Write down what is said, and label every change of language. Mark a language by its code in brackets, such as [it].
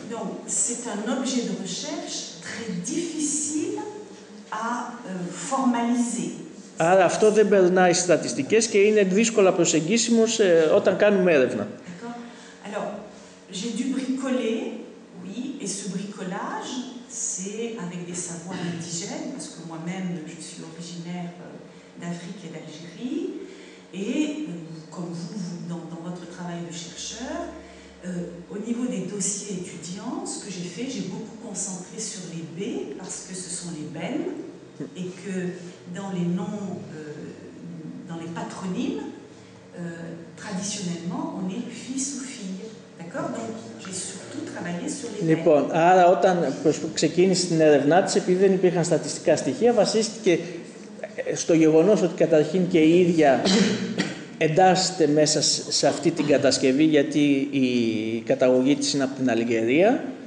[fr] Donc, c'est un objet de recherche très difficile à formaliser. [el] Άρα αυτό δεν περνάει στις στατιστικές και είναι δύσκολα προσεγγίσιμο όταν κάνουμε έρευνα. [fr] Alors, j'ai dû bricoler, oui, et ce bricolage, c'est avec des savoirs indigènes, parce que moi-même, je suis originaire d'Afrique et d'Algérie, et comme vous, dans votre travail de chercheur, au niveau des dossiers étudiants, ce que j'ai fait, j'ai beaucoup concentré sur les B, parce que ce sont les BEN, et que dans les noms, dans les patronymes, traditionnellement, on est fils ou fille. D'accord ? Donc, j'ai surtout travaillé sur les. [el] Λοιπόν, άρα όταν ξεκίνησε την έρευνά της, επειδή δεν υπήρχαν στατιστικά στοιχεία, βασίστηκε στο γεγονός ότι καταρχήν και η ίδια εντάσσεται μέσα σε αυτή την κατασκευή, γιατί η καταγωγή της είναι από την Αλγερία.